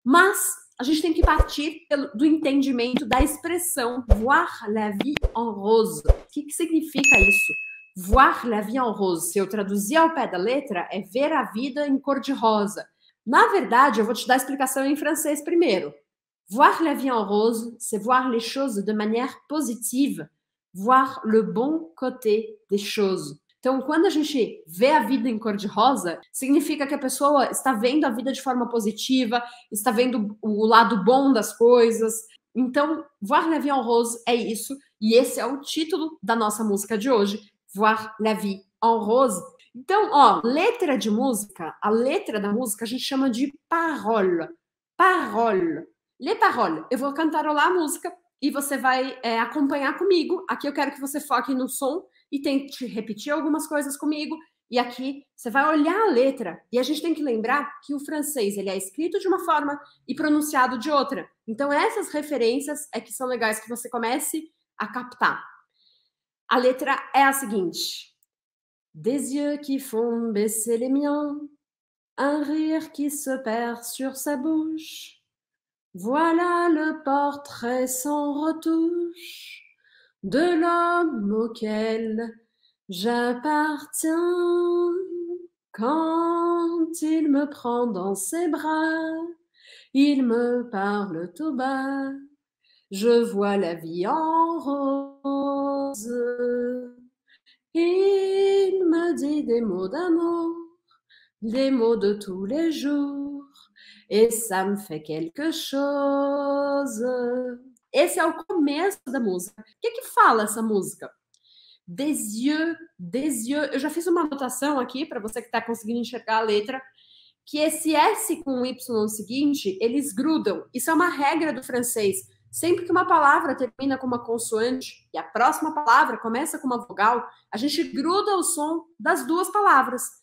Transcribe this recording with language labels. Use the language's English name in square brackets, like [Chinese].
[Portuguese] Mas a gente tem que partir do entendimento da expressão [French] voir la vie en rose. [Portuguese] O que significa isso? [French] Voir la vie en rose, [Portuguese] se eu traduzir ao pé da letra, é ver a vida em cor de rosa. Na verdade, eu vou te dar a explicação em francês primeiro. [French] Voir la vie en rose, c'est voir les choses de manière positive. Voir le bon côté des choses. [Portuguese] Então, quando a gente vê a vida em cor de rosa, significa que a pessoa está vendo a vida de forma positiva, está vendo o lado bom das coisas. Então, [French] Voir la vie en rose [Portuguese] é isso. E esse é o título da nossa música de hoje, Voir la vie en rose. Então, ó, letra de música, a letra da música a gente chama de parole. Parole. Les paroles. Eu vou cantarolar a música e você vai acompanhar comigo. Aqui eu quero que você foque no som e tente repetir algumas coisas comigo. E aqui você vai olhar a letra. E a gente tem que lembrar que o francês ele é escrito de uma forma e pronunciado de outra. Então essas referências é que são legais que você comece a captar. A letra é a seguinte. [French] Des yeux qui font baisser les miens, un rire qui se perd sur sa bouche. Voilà le portrait sans retouche de l'homme auquel j'appartiens. Quand il me prend dans ses bras, il me parle tout bas, je vois la vie en rose. Il me dit des mots d'amour, des mots de tous les jours. Et ça me fait quelque chose. [Portuguese] Esse é o começo da música. O que que fala essa música? [French] Des yeux, des yeux. [Portuguese] Eu já fiz uma anotação aqui para você que está conseguindo enxergar a letra. Que esse S com o Y seguinte, eles grudam. Isso é uma regra do francês. Sempre que uma palavra termina com uma consoante e a próxima palavra começa com uma vogal, a gente gruda o som das duas palavras.